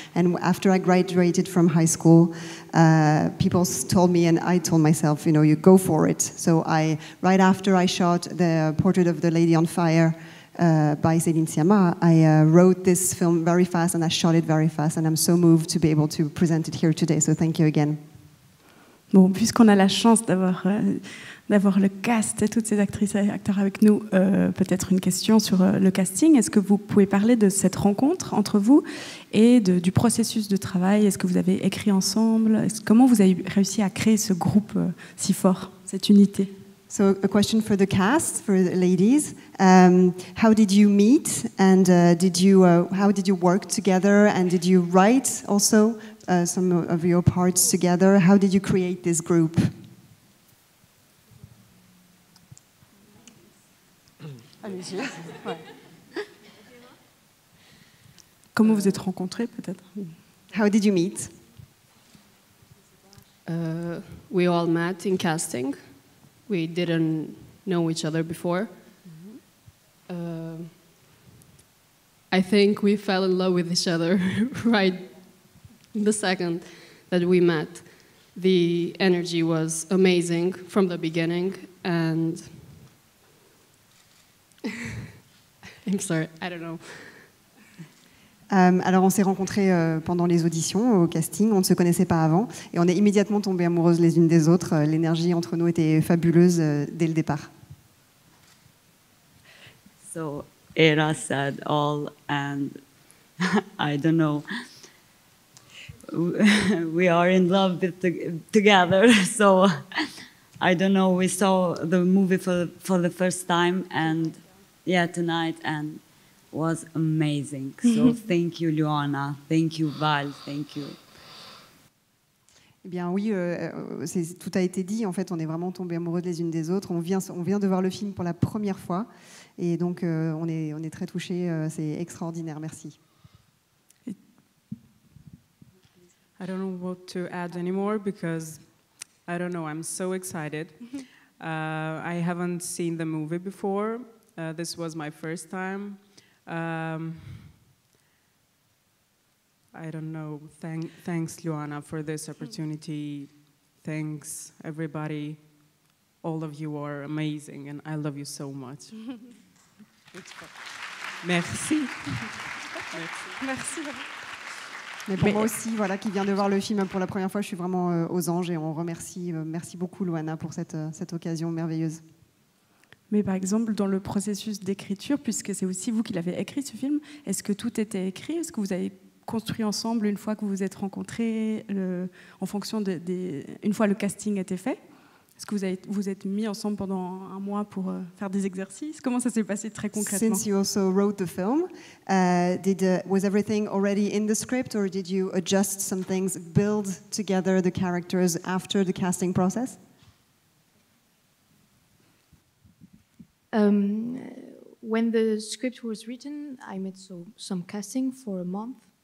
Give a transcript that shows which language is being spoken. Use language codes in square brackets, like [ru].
[en] And after I graduated from high school, people told me, and I told myself, you know, you go for it. So I, right after I shot the Portrait of the Lady on Fire by Céline Sciamma, I wrote this film very fast and I shot it very fast. And I'm so moved to be able to present it here today. So thank you again. [fr] Bon, puisqu'on a la chance d'avoir le cast et toutes ces actrices et acteurs avec nous, peut-être une question sur le casting. Est-ce que vous pouvez parler de cette rencontre entre vous et du processus de travail? Est-ce que vous avez écrit ensemble? Comment vous avez réussi à créer ce groupe si fort, cette unité? [en] So a question for the cast, for the ladies. How did you meet and how did you work together and did you write also some of your parts together? How did you create this group? [fr] Comment vous êtes rencontrés peut-être? [en] How did you meet? We all met in casting. We didn't know each other before. Mm-hmm. I think we fell in love with each other right the second that we met. The energy was amazing from the beginning, and I'm sorry, I don't know. [fr] Alors on s'est rencontrés pendant les auditions, au casting, on ne se connaissait pas avant et on est immédiatement tombées amoureuses les unes des autres. L'énergie entre nous était fabuleuse dès le départ. [en] So Era said all and I don't know. We are in love together, so I don't know. We saw the movie for the first time and yeah, tonight and was amazing. So thank you, Luana. Thank you, Val. Thank you. [fr] Eh bien oui, tout a été dit. En fait, on est vraiment tombés amoureux les unes des autres. On vient de voir le film pour la première fois, et donc on est très touchés. C'est extraordinaire. Merci. [en] I don't know what to add anymore because I don't know. I'm so excited. I haven't seen the movie before. This was my first time. I don't know. Thanks, Luana, for this opportunity. Thanks, everybody. All of you are amazing, and I love you so much. [fr] Merci. Merci. Mais pour moi aussi, voilà, qui vient de voir le film pour la première fois, je suis vraiment aux anges et on remercie. Merci beaucoup, Luana, pour cette occasion merveilleuse. Mais par exemple, dans le processus d'écriture, puisque c'est aussi vous qui l'avez écrit ce film, est-ce que tout était écrit? Est-ce que vous avez construit ensemble une fois que vous vous êtes rencontrés, une fois le casting était fait? Est-ce que vous êtes mis ensemble pendant un mois pour faire des exercices? Comment ça s'est passé très concrètement? [en] Since you also wrote the film, was everything already in the script, or did you adjust some things, build together the characters after the casting process? When the script was written, I met some casting for a month.